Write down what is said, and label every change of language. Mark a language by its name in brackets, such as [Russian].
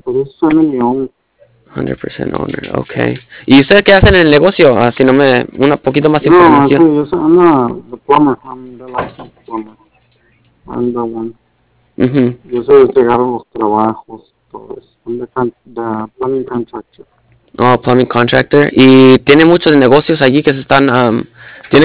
[Spanish] Por eso son el león. [English] 100% owner, ok. [Spanish] ¿Y usted qué hace en el negocio? Así no me. Un poquito más No, información. sí, yo soy una [English] plumber, I'm the licensed plumber. I'm the one. [Spanish] Yo soy el que agarra los trabajos, todo eso. [English] I'm the plumbing contractor. Oh, plumbing contractor. [Spanish] ¿Y tiene muchos negocios allí que se están, tiene